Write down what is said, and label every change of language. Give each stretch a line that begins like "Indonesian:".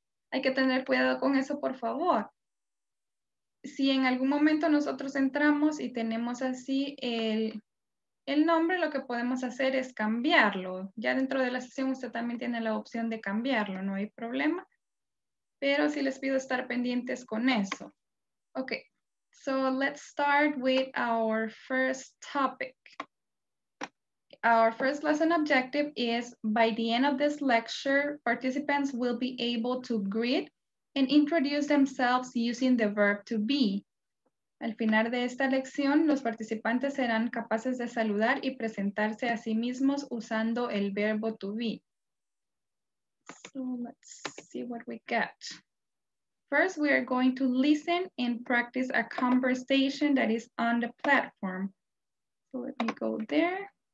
Spanish: Hay que tener cuidado con eso, por favor. Si en algún momento nosotros entramos y tenemos así el nombre, lo que podemos hacer es cambiarlo. Ya dentro de la sesión usted también tiene la opción de cambiarlo, no hay problema. Pero sí les pido estar pendientes con eso.
English: Ok, so let's start with our first topic. Our first lesson objective is by the end of this lecture, participants will be able to greet and introduce themselves using the verb to be.
Spanish: Al final de esta lección, los participantes serán capaces de saludar y presentarse a sí mismos usando el verbo to be.
English: So let's see what we get. First, we are going to listen and practice a conversation that is on the platform. So let me go there.